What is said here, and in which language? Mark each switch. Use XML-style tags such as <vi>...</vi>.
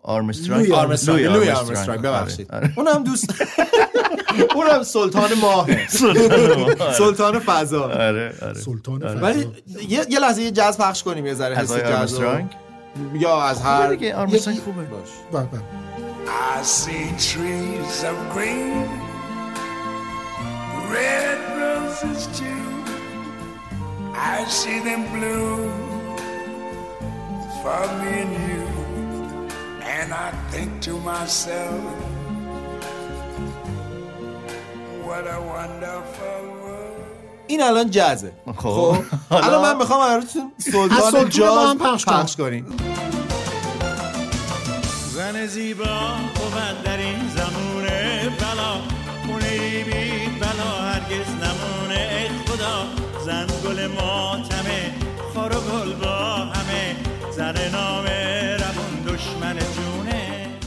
<fa>آرمسترانگ، لوی آرمسترانگ ببخشید، اونم دوست، اونم سلطان ماه، سلطان فضا. آره سلطان فضا. ولی یه لحظه یه جاز پخش کنیم، یه ذره حس جاز رو یا از هر دیگه. آرمسترانگ خوبه. باش</fa> <en>I see trees of green, red roses too. I see them bloom for me and you. And I think to myself, what a wonderful world.</en> <fa>این الان جازه. خب الان من میخوام براتون سلطان جاز پخش کنیم. زن زیبا بود در این زمونه بلا، اونه ای بی بلا هرگز نمونه. ای خدا زن گل ماتمه، خار و گل با همه، زن نامه روان دشمن جونه.</fa>